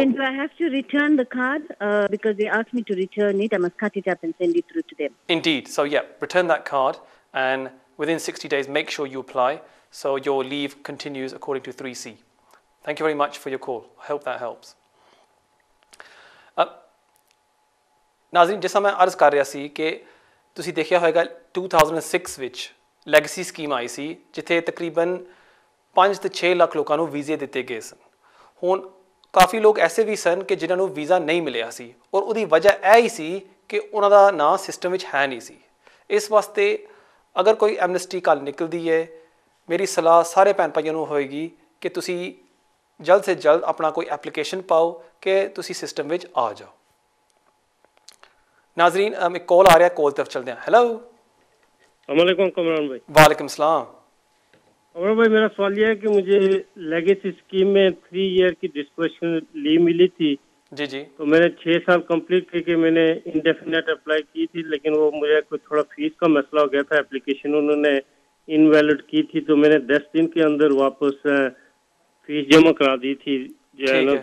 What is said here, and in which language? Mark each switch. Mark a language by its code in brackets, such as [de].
[en] And then do I have to return the card? Because they asked me to return it. I must cut it up and send it through to them. Indeed. So yeah, return that card and within 60 days, make sure you apply so your leave continues according to 3C. Thank you very much for your call. I hope that helps. [pa] Nazreen, ਜਿਸ ਮੈਂ ਅਰਜ਼ ਕਰ ਰਿਹਾ ਸੀ ਕਿ ਤੁਸੀਂ ਦੇਖਿਆ ਹੋਏਗਾ 2006 ਵਿੱਚ legacy scheme ਆਈ ਸੀ ਜਿੱਥੇ ਤਕਰੀਬਨ 5-6 ਲੱਖ ਲੋਕਾਂ ਨੂੰ ਵੀਜ਼ੇ ਦਿੱਤੇ ਗਏ ਸਨ। ਹੁਣ ਕਾਫੀ ਲੋਕ ਐਸੇ ਵੀ ਸਨ ਕਿ ਜਿਨ੍ਹਾਂ ਨੂੰ ਵੀਜ਼ਾ ਨਹੀਂ ਮਿਲਿਆ ਸੀ ਔਰ ਉਹਦੀ ਵਜ੍ਹਾ ਇਹ ਹੀ ਸੀ ਕਿ ਉਹਨਾਂ ਦਾ ਨਾਂ ਸਿਸਟਮ ਵਿੱਚ ਹੈ ਨਹੀਂ ਸੀ। ਇਸ ਵਾਸਤੇ ਅਗਰ ਕੋਈ ਐਮਨੈਸਟੀ ਕੱਲ੍ਹ ਨਿਕਲਦੀ ਹੈ, ਮੇਰੀ ਸਲਾਹ ਸਾਰੇ ਭੈਣ ਭਾਈਆਂ ਨੂੰ ਹੋਏਗੀ ਕਿ ਤੁਸੀਂ ਜਲਦ ਸੇ ਜਲਦ ਆਪਣਾ ਕੋਈ ਐਪਲੀਕੇਸ਼ਨ ਪਾਓ ਕਿ ਤੁਸੀਂ ਸਿਸਟਮ ਵਿੱਚ ਆ ਜਾਓ। [ur] ناظرین, ایک کال آ رہا ہے, کال طرف چلتے ہیں. ہیلو, السلام علیکم کمران بھائی. وعلیکم السلام کمران بھائی. میرا سوال یہ ہے کہ مجھے لیگیسی اسکیم میں 3 ایئر کی ڈسکریشن لی ملی تھی. جی جی. تو میں نے 6 سال کمپلیٹ کی کہ میں نے انڈیفینیٹ اپلائی کی تھی, لیکن وہ مجھے کوئی تھوڑا فیس کا مسئلہ ہو گیا تھا, اپلیکیشن انہوں نے انویلڈ کی تھی, تو میں نے 10 دن کے اندر واپس فیس جمع کرا دی تھی جو ہے نا.